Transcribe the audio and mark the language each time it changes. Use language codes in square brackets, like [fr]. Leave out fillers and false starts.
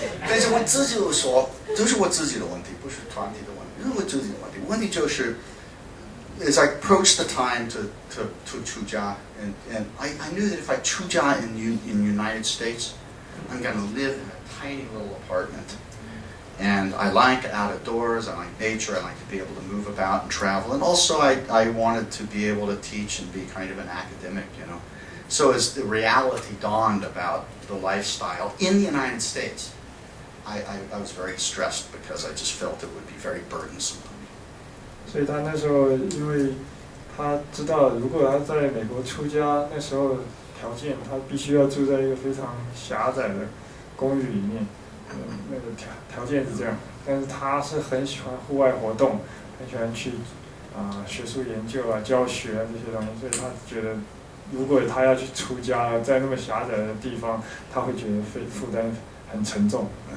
[zh] 但是我自己又说，都是我自己的问题，不是团体的问题，是我自己的问题。问题就是 [en] ，as I approached the time to 出家 ，and I knew that if I 出家 in United States， I'm going to live in a tiny little apartment， and I like out of doors， I like nature， I like to be able to move about and travel， and also I wanted to be able to teach and be kind of an academic， you know。 So as the reality dawned about the lifestyle in the United States。 I was very stressed because I just felt it would be very burdensome for me. [zh] 所以他那时候，因为他知道，如果他在美国出家，那时候条件他必须要住在一个非常狭窄的公寓里面，那个条件是这样。但是他是很喜欢户外活动，很喜欢去学术研究啊、教学啊这些东西，所以他觉得，如果他要去出家，在那么狭窄的地方，他会觉得负担很沉重。